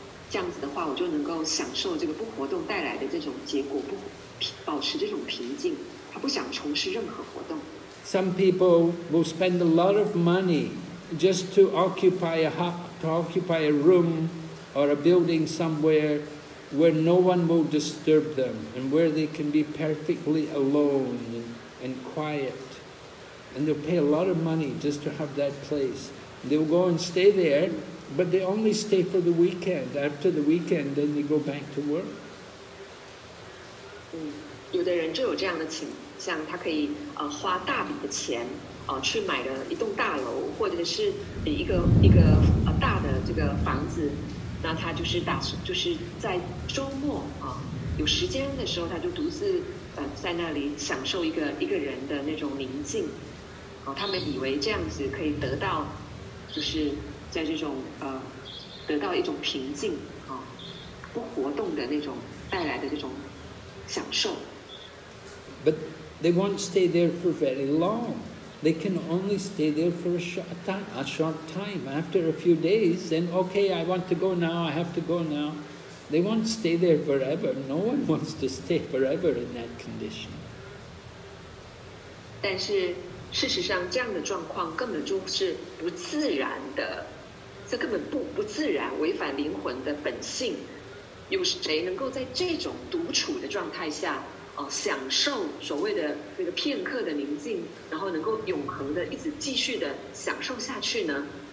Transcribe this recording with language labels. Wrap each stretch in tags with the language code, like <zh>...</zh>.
<zh>这样子的话，我就能够享受这个不活动带来的这种结果，不保持这种平静。他不想从事任何活动。</zh> <en>Some people will spend a lot of money just to occupy a room or a building somewhere where no one will disturb them and where they can be perfectly alone and quiet. And they'll pay a lot of money just to have that place. They will go and stay there. But they only stay for the weekend. After the weekend, then they go back to work.</en> <zh>有的人就有这样的倾向，他可以花大笔的钱去买了一栋大楼，或者是一个大的这个房子。那他就是打算就是在周末有时间的时候，他就独自在那里享受一个人的那种宁静。他们以为这样子可以得到，就是。在这种得到一种平静不活动的那种带来的这种享受。</zh> <en>But they won't stay there for very long. They can only stay there for a short time. After a few days, then okay, I want to go now. I have to go now. They won't stay there forever. No one wants to stay forever in that condition.</en> <zh>但是事实上，这样的状况根本就是不自然的。这根本不自然，违反灵魂的本性。有谁能够在这种独处的状态下，享受所谓的这个片刻的宁静，然后能够永恒的一直继续的享受下去呢？</zh>